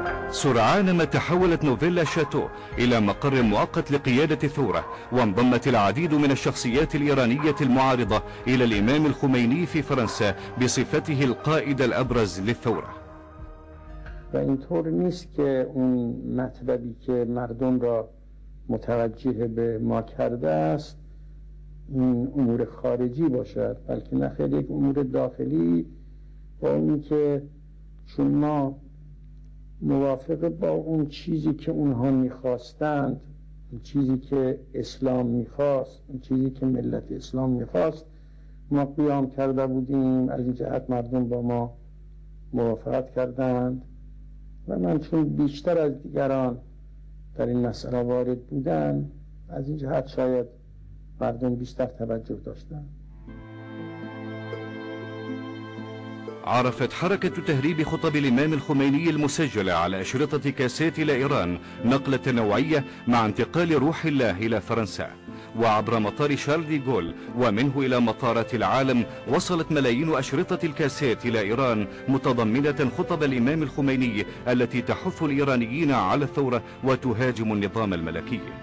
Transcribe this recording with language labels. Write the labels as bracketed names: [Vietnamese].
[Arabic] سرعان ما تحولت نوفيلا شاتو إلى مقر مؤقت لقيادة الثورة، وانضمت العديد من الشخصيات الإيرانية المعارضة إلى الإمام الخميني في فرنسا بصفته القائد الأبرز للثورة. [Persian] و اینطور نیست که اون مطلبی که مردم را متوجه به ما کرده است امور خارجی باشد، بلکه نه خیلی، یک امور داخلی، با اون که چون ما موافق با اون چیزی که اونها میخواستند، اون چیزی که اسلام میخواست، اون چیزی که ملت اسلام میخواست ما قیام کرده بودیم، از این جهت مردم با ما موافقت کردند. و من چون بیشتر از دیگران در این مسئله وارد بودن، از این جهت شاید مردم بیشتر توجه داشتن. [Arabic] عرفت حركة تهريب خطب الإمام الخميني المسجلة على أشرطة كاسات إلى إيران نقلة نوعية مع انتقال روح الله إلى فرنسا، وعبر مطار شارل دي غول ومنه إلى مطارات العالم وصلت ملايين أشرطة الكاسات إلى إيران متضمنة خطب الإمام الخميني التي تحث الإيرانيين على الثورة وتهاجم النظام الملكي.